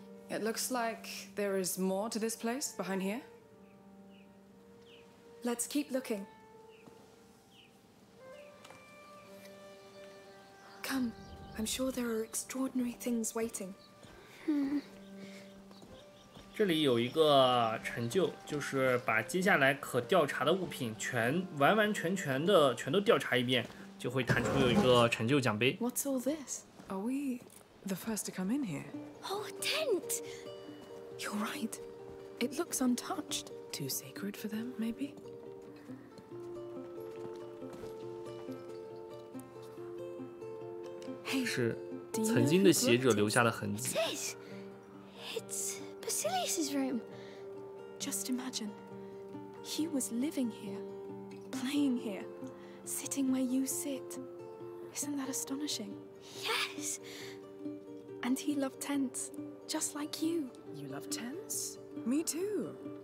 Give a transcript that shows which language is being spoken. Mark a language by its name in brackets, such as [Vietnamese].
[English] It looks like there is more to this place behind here. Let's keep looking. Come, I'm sure there are extraordinary things waiting. [Chinese] 这里有一个成就，就是把接下来可调查的物品全完完全全的全都调查一遍，就会弹出有一个成就奖杯。 [English] What's all this? Are we the first to come in here? Oh, tent! You're right. It looks untouched. Too sacred for them, maybe? [Chinese] 是曾经的鞋者留下的痕迹。 [English] It's Basilius's room. Just imagine, he was living here, playing here, sitting where you sit. Isn't that astonishing? Yes. And he loved tents, just like you. You love tents? Me too.